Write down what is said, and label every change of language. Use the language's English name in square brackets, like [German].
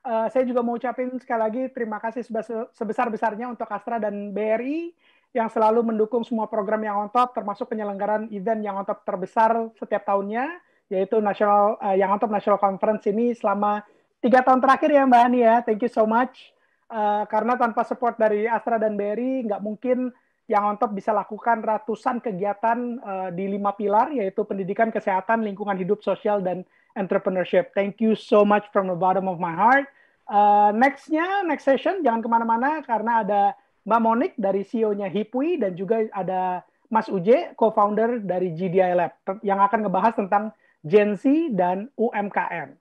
[Indonesian] Saya juga mau ucapin sekali lagi terima kasih sebesar-besarnya untuk Astra dan BRI yang selalu mendukung semua program yang on top, termasuk penyelenggaran event yang on top terbesar setiap tahunnya, yaitu National yang on top National Conference ini selama 3 tahun terakhir ya, Mbak Hani. Ya. [English] Thank you so much. [Indonesian] Karena tanpa support dari Astra dan BRI, nggak mungkin yang ONTOP bisa lakukan ratusan kegiatan di lima pilar, yaitu pendidikan, kesehatan, lingkungan hidup, sosial, dan entrepreneurship. [English] Thank you so much from the bottom of my heart. [Indonesian] Next-nya, next session, jangan kemana-mana, karena ada Mbak Monik dari CEO-nya Hipwi, dan juga ada Mas Uje, co-founder dari GDI Lab, yang akan ngebahas tentang Gen Z dan UMKM.